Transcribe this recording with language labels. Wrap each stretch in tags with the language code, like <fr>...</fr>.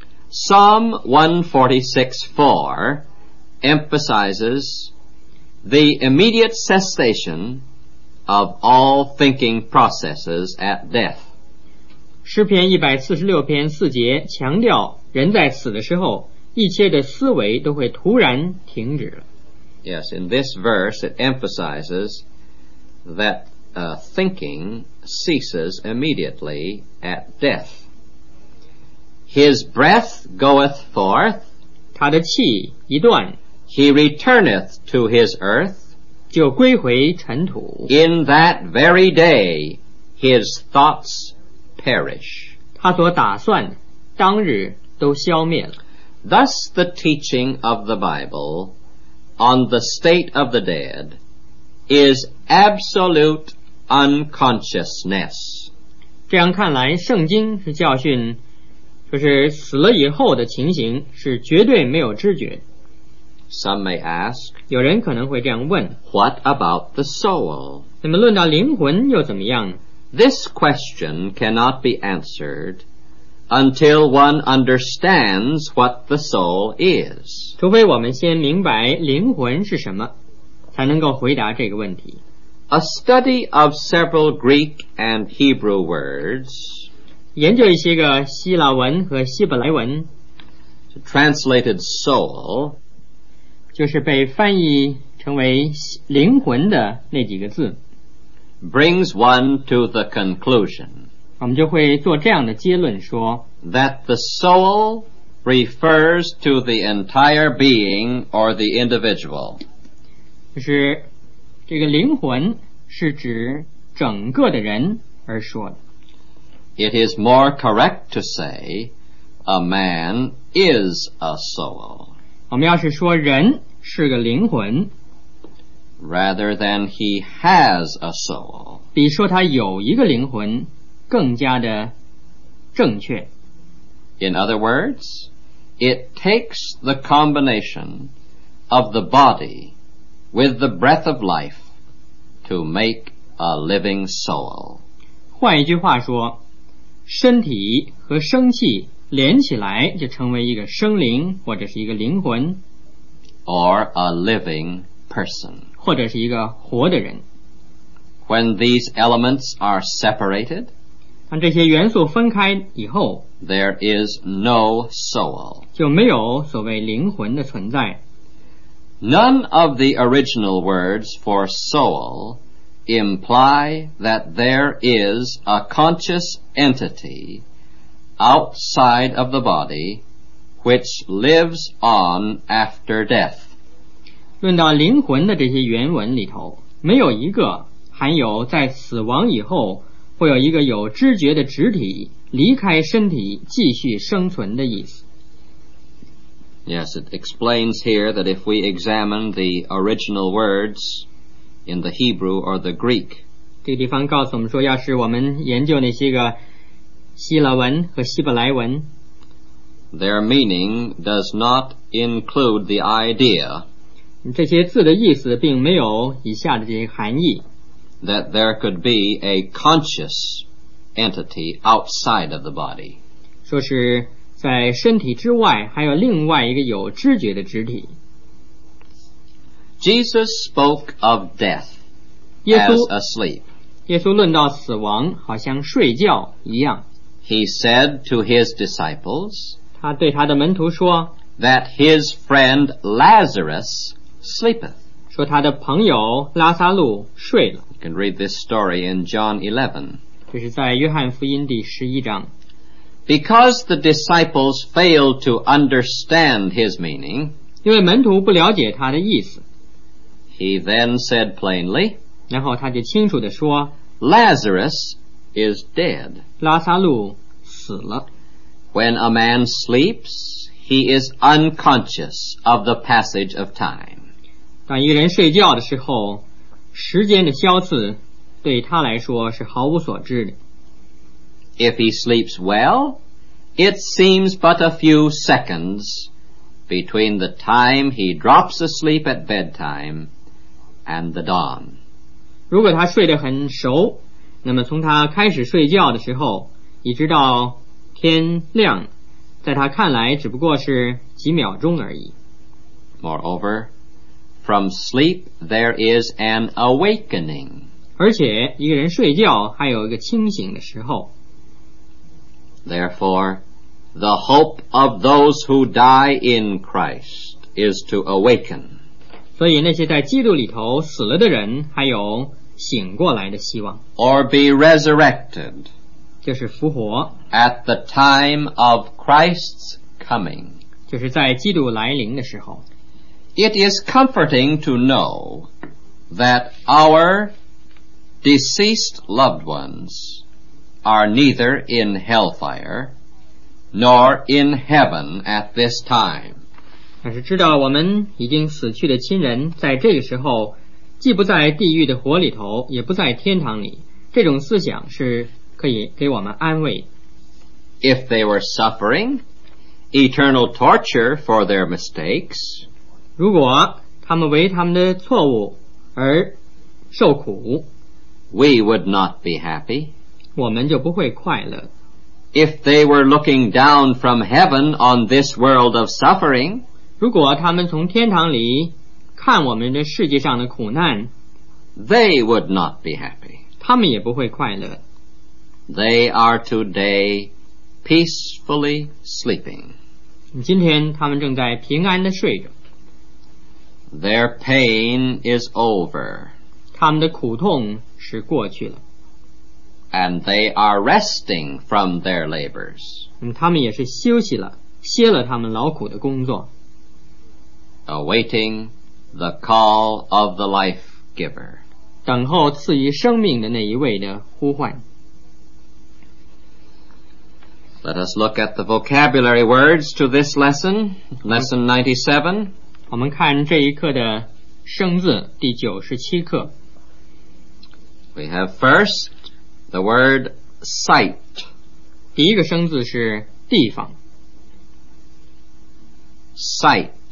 <en>Psalm 146:4 emphasizes the immediate cessation of all thinking processes at death.</en> <zh>诗篇146篇四节强调人在死的时候一切的思维都会突然停止了。</zh> <en>Yes, in this verse it emphasizes that thinking ceases immediately at death. His breath goeth forth,</en> <zh>他的气一断,</zh> <en>he returneth to his earth,</en> <zh>就归回尘土,</zh> <en>in that very day his thoughts perish.</en> <zh>他所打算的当日都消灭了。</zh> <en>Thus the teaching of the Bible on the state of the dead is absolute unconsciousness.</en> <zh>这样看来圣经是教训就是死了以后的情形是绝对没有知觉。</zh> <en>Some may ask,</en> <zh>有人可能会这样问</zh> <en>What about the soul?</en> <zh>那么论到灵魂又怎么样?</zh> <en>This question cannot be answered until one understands what the soul is.</en> <zh>除非我们先明白灵魂是什么，才能够回答这个问题。</zh> <en>A study of several Greek and Hebrew words,</en> <zh>研究一些个希腊文和希伯来文</zh> <en>translated soul,</en> <zh>就是被翻译成为灵魂的那几个字</zh> <en>brings one to the conclusion,</en> <zh>我们就会做这样的结论说</zh> <en>that the soul refers to the entire being or the individual,</en> <zh>就是这个灵魂是指整个的人而说的。</zh> <en>It is more correct to say a man is a soul.</en> <zh>我们要是说人是个灵魂</zh> <en>rather than he has a soul.</en> <zh>比说他有一个灵魂更加的正确。</zh> <en>In other words, it takes the combination of the body with the breath of life to make a living soul.</en> <zh>换一句话说，身体和生气连起来就成为一个生灵或者是一个灵魂</zh> <en>or a living person.</en> <zh>或者是一个活的人。</zh> <en>When these elements are separated,</en> <zh>当这些元素分开以后</zh> <en>there is no soul.</en> <zh>就没有所谓灵魂的存在。</zh> <en>None of the original words for soul imply that there is a conscious entity outside of the body which lives on after death.</en> <zh>论到灵魂的这些原文里头，没有一个含有在死亡以后会有一个有知觉的肢体离开身体继续生存的意思。</zh> <en>Yes, it explains here that if we examine the original words in the Hebrew or the Greek,</en> <zh>这个地方告诉我们说，要是我们研究那些个希腊文和希伯来文，</zh> <en>their meaning does not include the idea,</en> <zh>这些字的意思并没有以下的这些含义，</zh> <en>that there could be a conscious entity outside of the body.</en> <zh>说是在身体之外还有另外一个有知觉的肢体。</zh> <en>Jesus spoke of death as asleep.</en> <zh>耶稣论到死亡好像睡觉一样。</zh> <en>He said to his disciples,</en> <zh>他对他的门徒说,</zh> <en>that his friend Lazarus sleepeth.</en> <zh>说他的朋友拉撒路睡了。</zh> <en>You can read this story in John 11.</en> <zh>这是在约翰福音第十一章。</zh> <en>Because the disciples failed to understand his meaning,</en> <zh>因为门徒不了解他的意思,</zh> <en>he then said plainly,</en> <zh>然后他就清楚地说,</zh> <en>Lazarus is dead.</en> <zh>拉撒路死了。</zh> <en>When a man sleeps, he is unconscious of the passage of time.</en> <zh>当一个人睡觉的时候, 时间的消逝对他来说是毫无所知的。</zh> <en>If he sleeps well, it seems but a few seconds between the time he drops asleep at bedtime and the dawn.</en> <zh>如果他睡得很熟，那么从他开始睡觉的时候，一直到天亮，在他看来只不过是几秒钟而已。</zh> <en>Moreover, from sleep there is an awakening.</en> <zh>而且一个人睡觉还有一个清醒的时候。</zh> <en>Therefore, the hope of those who die in Christ is to awaken.</en> <zh>所以那些在基督里头死了的人还有醒过来的希望。</zh> <en>Or be resurrected.</en> <zh>就是复活。</zh> <en>At the time of Christ's coming.</en> <zh>就是在基督来临的时候。</zh> <en>It is comforting to know that our deceased loved ones are neither in hellfire nor in heaven at this time.</en> <zh>但是知道我们已经死去的亲人在这个时候既不在地狱的火里头也不在天堂里，这种思想是可以给我们安慰。</zh> <en>If they were suffering eternal torture for their mistakes,</en> <zh>如果他们为他们的错误而受苦，</zh> <en>we would not be happy.</en> <zh>我们就不会快乐。</zh> <en>If they were looking down from heaven on this world of suffering,</en> <zh>如果他们从天堂里看我们的世界上的苦难,</zh> <en>they would not be happy.</en> <zh>他们也不会快乐。</zh> <en>They are today peacefully sleeping.</en> <zh>今天他们正在平安地睡着。</zh> <en>Their pain is over.</en> <zh>他们的苦痛是过去了。</zh> <en>And they are resting from their labors.</en> <zh>他们也是休息了，歇了他们劳苦的工作。</zh> <en>Awaiting the call of the life giver.</en> <zh>等候赐予生命的那一位的呼唤。</zh> <en>Let us look at the vocabulary words to this lesson, lesson 97.</en> <zh>我们看这一课的生字，第九十七课。</zh> <en>We have first,the word site.</en> <zh>第一个生字是地方。</zh> <en>site.</en>